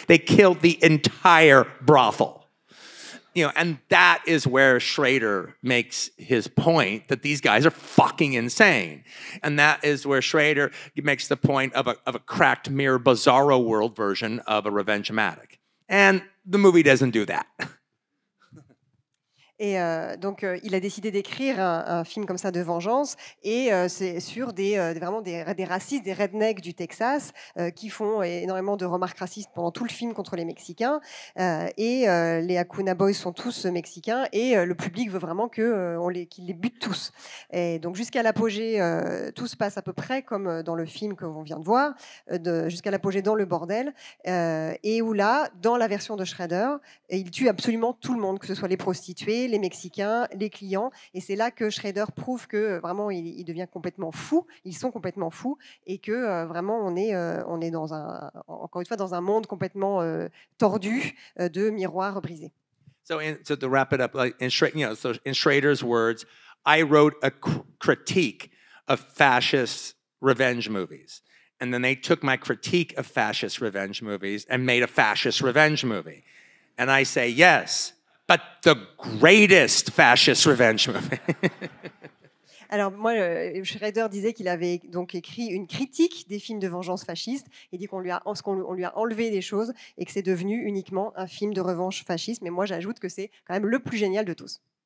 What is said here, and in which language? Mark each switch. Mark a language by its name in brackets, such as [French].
[English] They kill the entire brothel. You know, and that is where Schrader makes his point that these guys are fucking insane. And that is where Schrader makes the point of a cracked mirror bizarro world version of a revenge-o-matic. And the movie doesn't do that. [French] Et donc, il a décidé d'écrire un film comme ça de vengeance, et c'est sur des racistes, des rednecks du Texas, qui font énormément de remarques racistes pendant tout le film contre les Mexicains. Et les Acuna Boys sont tous Mexicains, et le public veut vraiment qu'il les bute tous. Et donc, jusqu'à l'apogée, tout se passe à peu près comme dans le film que l'on vient de voir, jusqu'à l'apogée dans le bordel, et où là, dans la version de Shredder, il tue absolument tout le monde, que ce soit les prostituées, les Mexicains, les clients, et c'est là que Shredder prouve que vraiment il devient complètement fou, ils sont complètement fous, et que vraiment on est dans un, encore une fois, dans un monde complètement tordu de miroirs brisés. [English] So to wrap it up, in Shredder's words, I wrote a critique of fascist revenge movies, and then they took my critique of fascist revenge movies and made a fascist revenge movie, and I say yes. But the greatest fascist revenge movie. [French] Alors moi, Shredder disait qu'il avait donc écrit une critique des films de vengeance fasciste. Il dit qu'on lui a enlevé des choses et que c'est devenu uniquement un film de revanche fasciste. Mais moi, j'ajoute que c'est quand même le plus génial de tous.